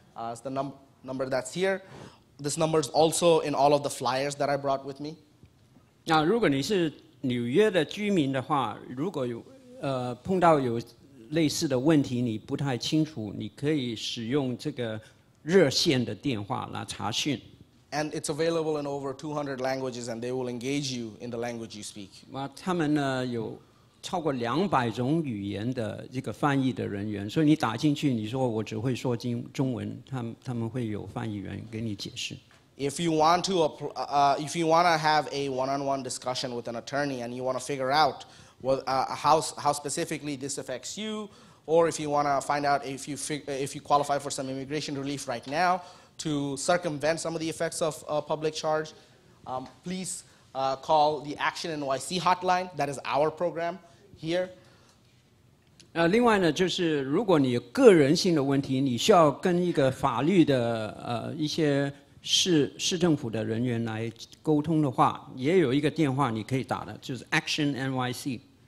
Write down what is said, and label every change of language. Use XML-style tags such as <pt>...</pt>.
<en>It's the number that's here. This number is also in all of the flyers that I brought with me.</en> <zh>那如果你是纽约的居民的话，如果有碰到有类似的问题，你不太清楚，你可以使用这个热线的电话来查询。</zh> <en>And it's available in over 200 languages, and they will engage you in the language you speak.</en> <zh>他们呢有超过200种语言的这个翻译的人员，所以你打进去，你说我只会说中文，他们会有翻译员给你解释。</zh> <en>If you want to have a one-on-one discussion with an attorney, and you want to figure out how specifically this affects you, or if you want to find out if you qualify for some immigration relief right now. To circumvent some of the effects of public charge, please call the Action NYC hotline. That is our program here.</en> <zh>另外呢，就是如果你有个人性的问题，你需要跟一个法律的一些市政府的人员来沟通的话，也有一个电话你可以打的，就是 Action NYC.</zh>